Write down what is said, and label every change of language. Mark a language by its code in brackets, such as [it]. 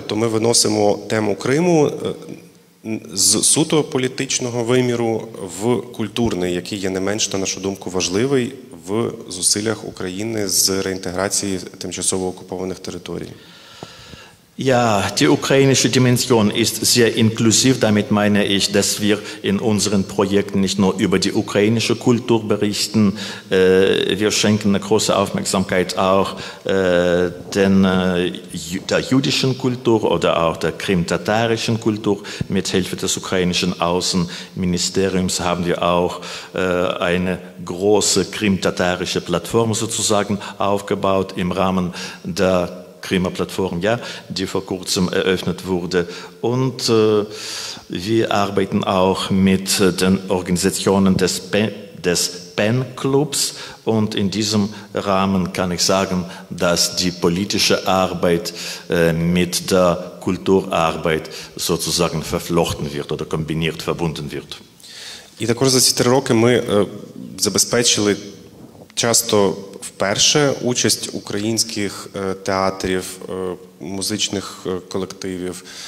[uk] Тобто ми виносимо тему Криму з суто політичного виміру в культурний, який є не менш, на нашу думку, важливий в зусиллях України з реінтеграції тимчасово окупованих територій. [de] Ja, die ukrainische Dimension ist sehr inklusiv. Damit meine ich, dass wir in unseren Projekten nicht nur über die ukrainische Kultur berichten. Wir schenken eine große Aufmerksamkeit auch der jüdischen Kultur oder auch der krim-tatarischen Kultur. Mit Hilfe des ukrainischen Außenministeriums haben wir auch eine große krim-tatarische Plattform sozusagen aufgebaut im Rahmen der Krimer Plattform, ja, die vor kurzem eröffnet wurde. Und wir arbeiten auch mit den Organisationen des PEN-Clubs. Und in diesem Rahmen kann ich sagen, dass die politische Arbeit mit der Kulturarbeit sozusagen verflochten wird oder kombiniert, verbunden wird. [uk] І також за ці 3 роки ми забезпечили часто вперше участь українських театрів, музичних колективів,